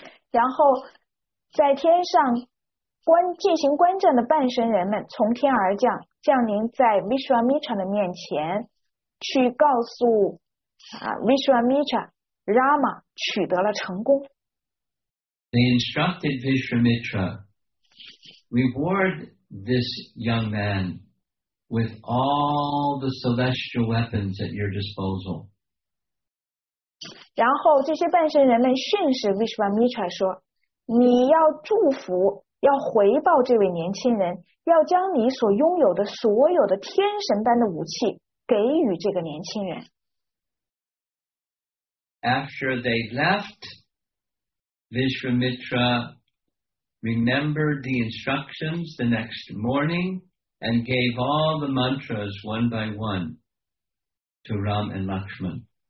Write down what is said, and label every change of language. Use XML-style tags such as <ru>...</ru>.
<zh>然后在天上进行观战的半神人们从天而降，降临在 Vishwamitra 的面前，去告诉Vishwamitra Rama 取得了成功。</zh> <en>They instructed Vishwamitra, reward this young man with all the celestial weapons at your disposal.</en> <zh>然后这些半神人们训斥 Vishwamitra 说，你要祝福，要回报这位年轻人，要将你所拥有的所有的天神般的武器给予这个年轻人。</zh> <en>After they left, Vishwamitra remembered the instructions the next morning and gave all the mantras one by one to Ram and Lakshman.</en>